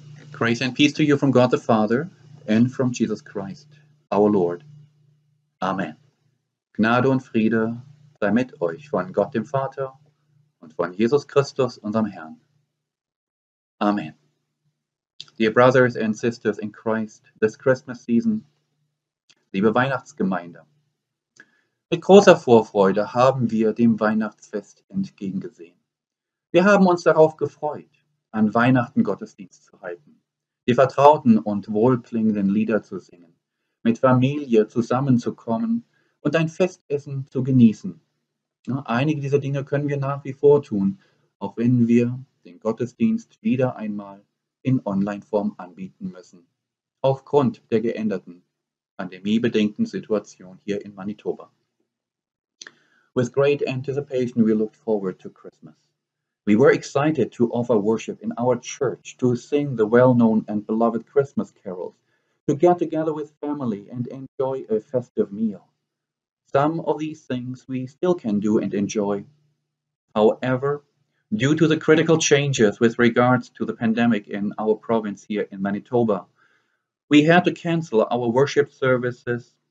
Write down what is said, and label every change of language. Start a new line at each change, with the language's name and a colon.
English: Grace and peace to you from God the Father and from Jesus Christ, our Lord. Amen.
German: Gnade und Friede sei mit euch von Gott dem Vater und von Jesus Christus, unserem Herrn. Amen.
English: Dear brothers and sisters in Christ, this Christmas season,
German: liebe Weihnachtsgemeinde, mit großer Vorfreude haben wir dem Weihnachtsfest entgegengesehen. Wir haben uns darauf gefreut, an Weihnachten Gottesdienst zu halten, die vertrauten und wohlklingenden Lieder zu singen, mit Familie zusammenzukommen und ein Festessen zu genießen. Einige dieser Dinge können wir nach wie vor tun, auch wenn wir den Gottesdienst wieder einmal in Online-Form anbieten müssen, aufgrund der geänderten, pandemiebedingten Situation hier in Manitoba.
English: With great anticipation, we looked forward to Christmas. We were excited to offer worship in our church, to sing the well-known and beloved Christmas carols, to get together with family and enjoy a festive meal. Some of these things we still can do and enjoy. However, due to the critical changes with regards to the pandemic in our province here in Manitoba, we had to cancel our worship services.